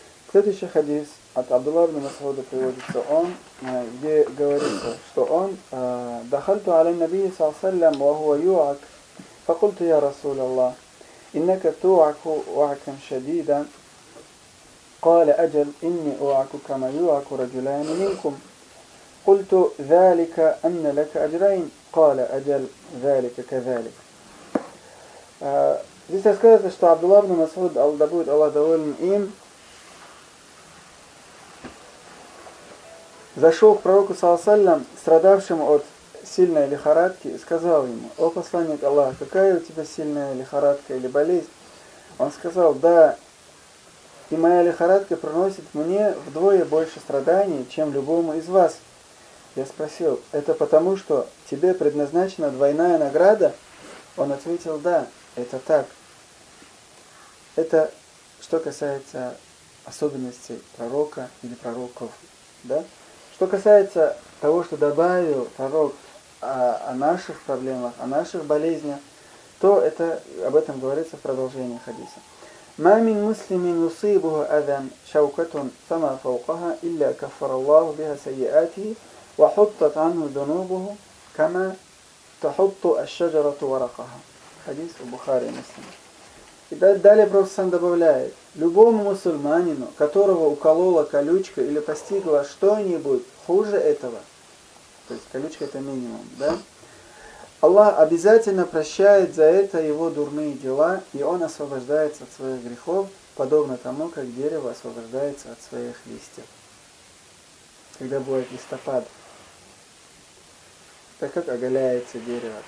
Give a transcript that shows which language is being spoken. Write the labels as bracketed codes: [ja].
[ru] Следующий хадис от Абдулла ибн Масуда приводится он, где говорится, что он [ar] дахальту аля ан-набий саллаллаху алейхи ва саллям ва хуа юак, факульту я расуля Аллах, иннака туаку уакан шадидан, каля аджал инни уаку кама юаку раджуляни минкум. قلت ذلك أن لك أجرين قال أجل ذلك كذلك. [ru] Здесь рассказывается, что Абдулла ибн Масуд, да будет Аллах доволен им, зашел к пророку саллаллаху алейхи ва саллям, страдавшему от сильной лихорадки, и сказал ему: «О посланник Аллаха, какая у тебя сильная лихорадка или болезнь?» Он сказал: «Да, и моя лихорадка приносит мне вдвое больше страданий, чем любому из вас». Я спросил: «Это потому, что тебе предназначена двойная награда?» Он ответил: «Да, это так». Это что касается особенностей пророка или пророков. Да? Что касается того, что добавил пророк о наших проблемах, о наших болезнях, то это об этом говорится в продолжении хадиса. [ar] «Ма мин муслимин усыбуху адан шаукатун фама фаукаха илля кафараллаху биха сайиатии». وحطت عنه ذنوبه كما تحط الشجرة ورقها. [ru] Хадис у Бухари и Муслим. И далее Пророк сам добавляет: любому мусульманину, которого уколола колючка или постигла что-нибудь хуже этого, то есть колючка это минимум, да, Аллах обязательно прощает за это его дурные дела, и он освобождается от своих грехов, подобно тому, как дерево освобождается от своих листьев, когда будет листопад, так как оголяется дерево.